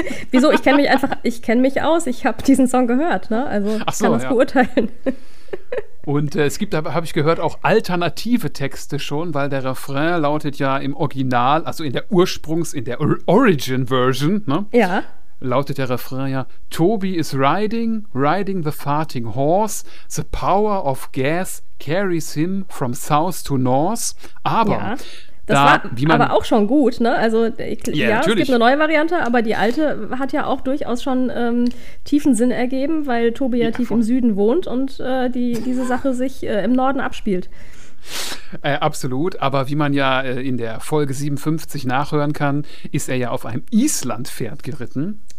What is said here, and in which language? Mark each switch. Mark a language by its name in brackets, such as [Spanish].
[German] Wieso? Ich kenne mich einfach, ich kenne mich aus, ich habe diesen Song gehört, ne? Also ich kann das beurteilen. Und es gibt, habe ich gehört, auch alternative Texte schon, weil der Refrain lautet ja im Original, also in der Ursprungs-, in der Origin-Version, ne? Ja. Lautet der Refrain ja, [English] Toby is riding the farting horse, the power of gas carries him from south to north. [German] Aber, ja, das war auch schon gut, ne? Also, natürlich. Es gibt eine neue Variante, aber die alte hat ja auch durchaus schon tiefen Sinn ergeben, weil Toby ja tief im Süden wohnt und diese Sache sich im Norden abspielt. Absolut, aber wie man ja in der Folge 57 nachhören kann, ist er ja auf einem Island-Pferd geritten.